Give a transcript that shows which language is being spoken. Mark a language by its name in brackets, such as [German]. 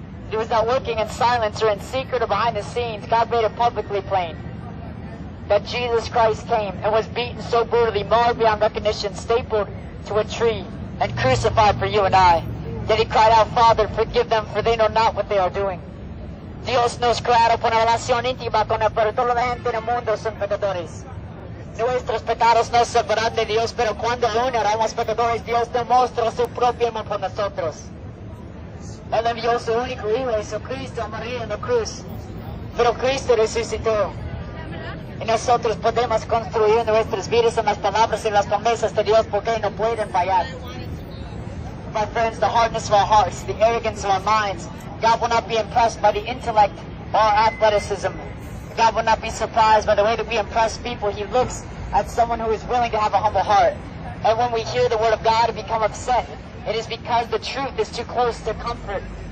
[English] He was not working in silence or in secret or behind the scenes. God made it publicly plain that Jesus Christ came and was beaten so brutally, marred beyond recognition, stapled to a tree, and crucified for you and I. Yet He cried out, Father, forgive them, for they know not what they are doing. [Spanish] Dios nos creó por una relación íntima con el pero toda la gente en el mundo son pecadores. Nuestros pecados nos separan de Dios, pero cuando uno éramos pecadores, Dios demostró su propio amor por nosotros. Él envió su único Hijo, Jesucristo, a morir en la cruz. Pero Cristo resucitó. Y nosotros podemos construir nuestras vidas en las palabras y las promesas de Dios porque no pueden fallar. [English] My friends, the hardness of our hearts, the arrogance of our minds. God will not be impressed by the intellect or our athleticism. God will not be surprised by the way that we impress people. He looks at someone who is willing to have a humble heart. And when we hear the word of God and become upset, it is because the truth is too close to comfort.